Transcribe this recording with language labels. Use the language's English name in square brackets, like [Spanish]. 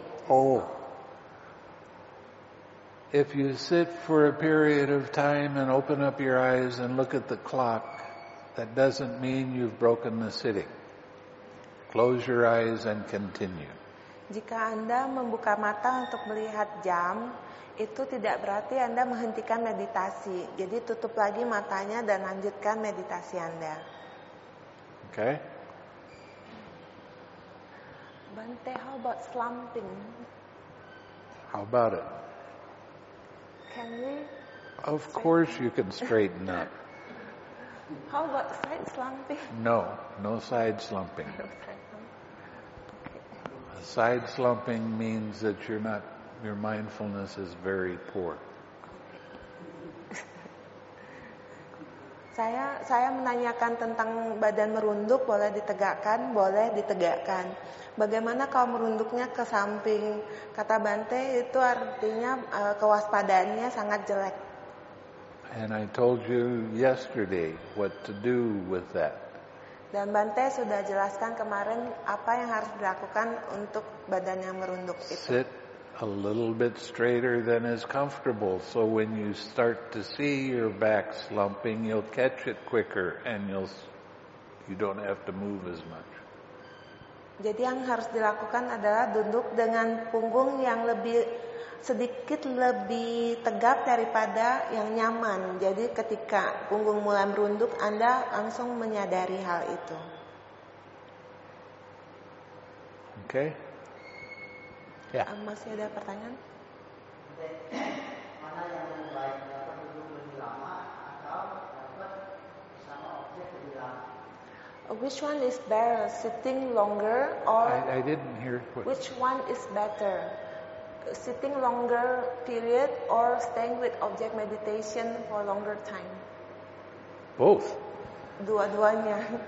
[English] Oh, if you sit for a period of time and open up your eyes and look at the clock, that doesn't mean you've broken the sitting. Close your eyes and continue. [Indonesian] Jika Anda membuka mata untuk melihat jam, itu tidak berarti Anda menghentikan meditasi. Jadi tutup lagi matanya dan lanjutkan meditasi Anda. [English] Okay. Bante, how about slumping? How about it? Can we? Of course you can straighten up. How about side slumping? No, no side slumping. Okay. Side slumping means that you're not, your mindfulness is very poor. [Indonesian] Saya menanyakan tentang badan merunduk, boleh ditegakkan? Boleh ditegakkan. Bagaimana kalau merunduknya ke samping? Kata Bante, itu artinya kewaspadaannya sangat jelek. [English] And I told you yesterday what to do with that. [Indonesian] Dan Bante sudah jelaskan kemarin apa yang harus dilakukan untuk badan yang merunduk itu. [English] Sit a little bit straighter than is comfortable, so when you start to see your back slumping, you'll catch it quicker and you don't have to move as much. [Indonesian] Jadi yang harus dilakukan adalah duduk dengan punggung yang sedikit lebih tegap daripada yang nyaman. Jadi ketika punggung mulai merunduk, Anda langsung menyadari hal itu. [English] Okay. Yeah. [Indonesian] Masih ada pertanyaan? Mana yang lebih baik, dapat duduk lebih lama atau dapat sama objek lebih lama? [English] Which one is better, sitting longer or? I didn't hear. Which one is better, sitting longer period or staying with object meditation for longer time? Both. [Indonesian] Dua-duanya.